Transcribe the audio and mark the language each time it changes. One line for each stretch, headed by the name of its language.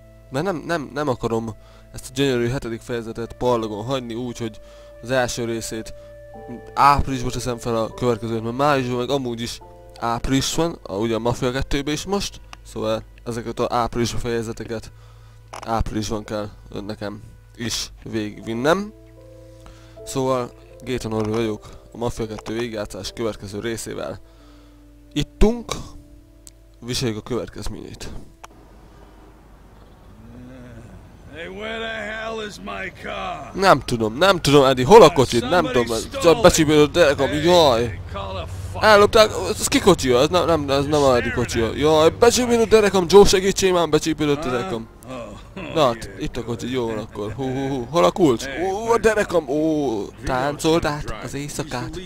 Hungarian: Mert nem akarom ezt a gyönyörű hetedik fejezetet parlagon hagyni úgy, hogy az első részét áprilisban teszem fel a következőt, mert májusban meg amúgy is április van, ugye a Mafia 2-ben is most, szóval ezeket az áprilisban fejezeteket áprilisban kell nekem is végigvinnem. Szóval Gaten Orr vagyok, a Mafia 2 végjátszás következő részével ittunk, viseljük a következményét.
English: Hey, where the hell is my car?
Hungarian: Nem tudom, Eddie, hol a kocsit? Nem tudom, csak becsípődött a derekam, jaj! Ellopták, ez ki kocsia? Ez nem a Eddie kocsia. Jaj, becsípődött a derekam, Joe segítsé már, becsípődött a derekam. Na, itt a kocsi, jó van akkor. Hú, hol a kulcs? Ó, a derekam, ó, táncolt át az éjszakát.